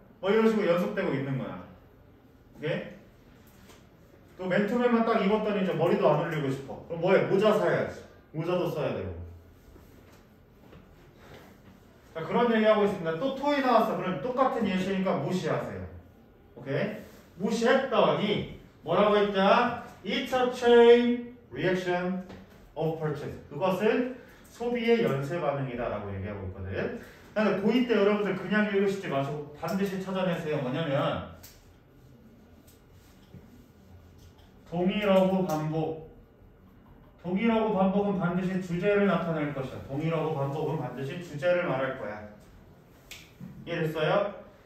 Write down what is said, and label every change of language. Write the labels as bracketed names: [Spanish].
[Korean] 뭐 이런 식으로 연속되고 있는 거야. 오케이? 또 맨투맨만 딱 입었더니 이제 머리도 안 올리고 싶어. 그럼 뭐 해? 모자 사야지. 모자도 써야 되고. 자, 그런 얘기 하고 있습니다. 또 토이 나왔어. 그럼 똑같은 예시니까 무시하세요. 오케이? 무시했더니 뭐라고 했다? [English] It's a chain reaction of purchase. [Korean] 그것은 소비의 연쇄 반응이다 라고 얘기하고 있거든. 근데 고2 때 여러분들 그냥 읽으시지 마시고 반드시 찾아내세요. 뭐냐면 동일하고 반복. 동일하고 반복은 반드시 주제를 나타낼 것이야. 동일하고 반복은 반드시 주제를 말할 거야. 이해됐어요?